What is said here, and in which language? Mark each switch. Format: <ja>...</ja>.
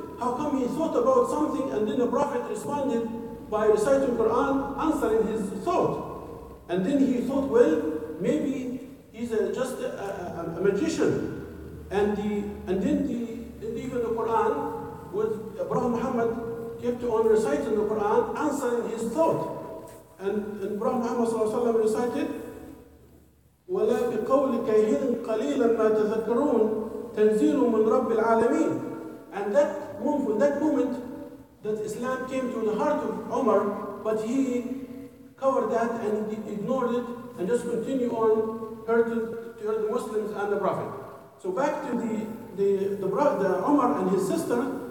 <en>How come he thought about something and then the Prophet responded by reciting Quran, answering his thought? And then he thought, well, maybe he's just a magician. And then even the Quran, with Prophet Muhammad kept on reciting the Quran, answering his thought. And Prophet Muhammad sallallahu alaihi wasallam recited,</en> <ar>"ولا بقول كاهن قليلا ما تذكرون تنزيل من رب العالمين."</ar> <en>And that moment that Islam came to the heart of Umar, but he covered that and ignored it and just continued on hurting to the Muslims and the Prophet. So back to the Umar and his sister.</en>